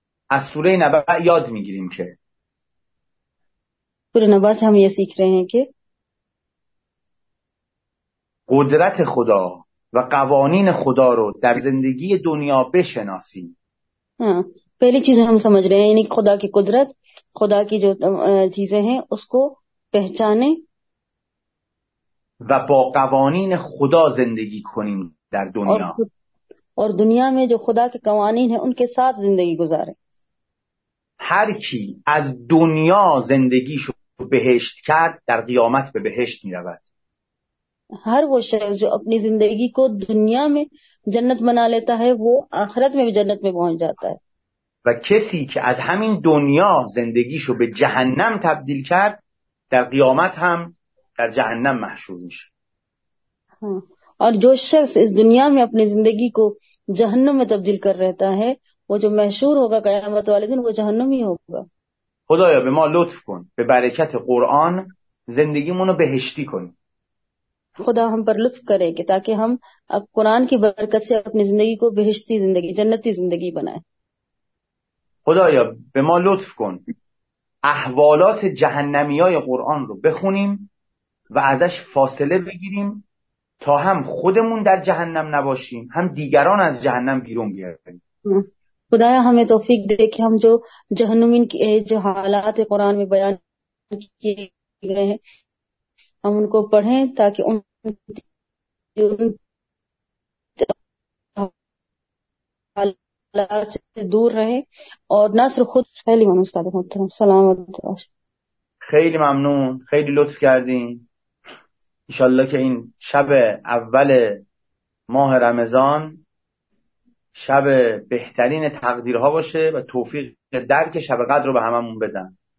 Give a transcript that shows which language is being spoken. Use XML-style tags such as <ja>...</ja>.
<fa>از سوره نبع یاد می گیریم که</fa> <ur>سوره نبع سے ہم یہ سیکھ رہے ہیں کہ</ur> <fa>قدرت خدا و قوانین خدا رو در زندگی دنیا بشناسیم.</fa> <ur>پہلی چیز ہم سمجھ رہے ہیں یعنی خدا کی قدرت، خدا کی جو چیزیں ہیں اس کو پہچانیں</ur> <fa>و با قوانین خدا زندگی کنیم در دنیا</fa> <ur>اور دنیا میں جو خدا کے قوانین ہیں ان کے ساتھ زندگی گزاریں.</ur> <fa>ہر کی از دنیا زندگیشو بهشت کرد در قیامت به بهشت می رود.</fa> <ur>ہر وہ شخص جو اپنی زندگی کو دنیا میں جنت بنا لیتا ہے وہ آخرت میں بھی جنت میں پہنچ جاتا ہے.</ur> <fa>و کسی که از همین دنیا زندگیشو به جهنم تبدیل کرد در قیامت هم در جهنم محشور میشه.</fa> <ur>اور جو شخص اس دنیا میں اپنی زندگی کو جہنم میں تبدیل کر رہتا ہے وہ جو محشور ہوگا قیامت والے دن وہ جہنم ہی ہوگا.</ur> <fa>خدایا به ما لطف کن، به برکت قرآن زندگیمونو بهشتی کن.</fa> <ur>خدا ہم پر لطف کرے کہ تاکہ ہم اب قرآن کی برکت سے اپنی زندگی کو بہشتی زندگی جنتی زندگی بنائیں.</ur> <fa>خدایا به ما لطف کن احوالات جهنمی های قرآن رو بخونیم و ازش فاصله بگیریم تا هم خودمون در جهنم نباشیم هم دیگران از جهنم بیرون بیاریم.</fa> <ur>خدایا ہمیں توفیق دے کہ ہم جو جہنمین کے جو حالات قرآن میں بیان کیے گئے ہیں ہم ان کو پڑھیں تاکہ ان حالات سے دور رہیں اور نہ صرف خود.</ur> <fa>خیلی ممنون استاد محترم, سلامت باشیں. خیلی ممنون, خیلی لطف کردین. انشاءاللہ که این شب اول ماه رمضان شب بهترین تقدیرها باشه و توفیق درک شب قدر رو به هممون بدن.</fa>